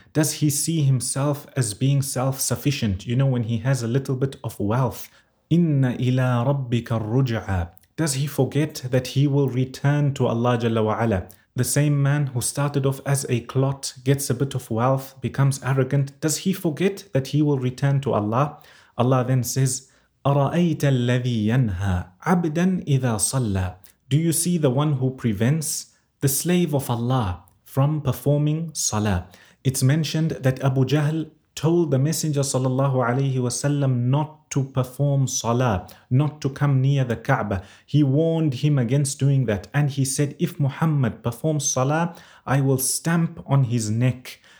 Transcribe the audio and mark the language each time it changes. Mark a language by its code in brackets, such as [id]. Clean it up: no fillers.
[en] Does he see himself as being self-sufficient? You know, when he has a little bit of wealth. [ar] إِنَّ إِلَىٰ رَبِّكَ الرُّجْعَى. [en] Does he forget that he will return to Allah Jalla wa Ala? The same man who started off as a clot, gets a bit of wealth, becomes arrogant. Does he forget that he will return to Allah? Allah then says, [ar] أَرَأَيْتَ الَّذِي يَنْهَى عَبْدًا إِذَا صَلَّى. [en] Do you see the one who prevents the slave of Allah from performing salah? It's mentioned that Abu Jahl told the Messenger sallallahu alayhi wasallam not to perform salah, not to come near the Kaaba. He warned him against doing that, and he said, if Muhammad performs salah, I will stamp on his neck.